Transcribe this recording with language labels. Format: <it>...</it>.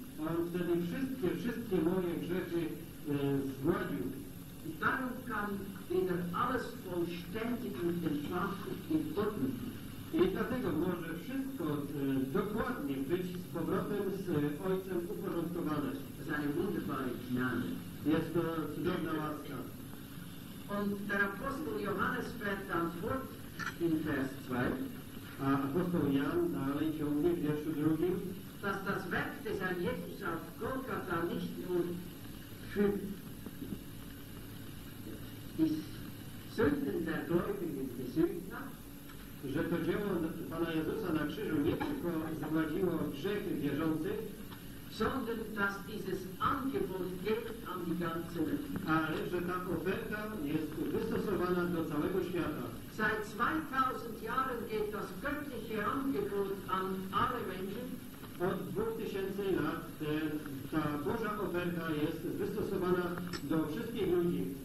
<pl>On wtedy wszystkie moje grzechy zgładził.</pl> <de>I darum kann wieder alles vollständig in den Schwachen in Ordnung.</de> <pl>I dlatego może wszystko dokładnie być z powrotem z Ojcem uporządkowane.</pl> <de>Seine wunderbare Gnade.</de> <pl>Jest to cudowna łaska.</pl> <de>Und der Apostel Johannes fährt dann fort in Vers 2.</de> <pl>A apostoł Jan dalej ciągnie w wierszu drugim.</pl> <de>Dass das Werk des Herrn Jesus auf Golgatha nicht nur für die Sünden der Gläubigen gesühnt hat,</de> <pl>że to dzieło Pana Jezusa na krzyżu nie tylko zgładziło grzechy wierzących,</pl> <de>sondern dass dieses Angebot gilt an die ganze Welt.</de> <pl>Ale że ta oferta jest wystosowana do całego świata.</pl> <de>Seit 2000 Jahren geht das göttliche Angebot an alle Menschen.</de> <pl>Od 2000 lat ta Boża oferta jest wystosowana do wszystkich ludzi.</pl>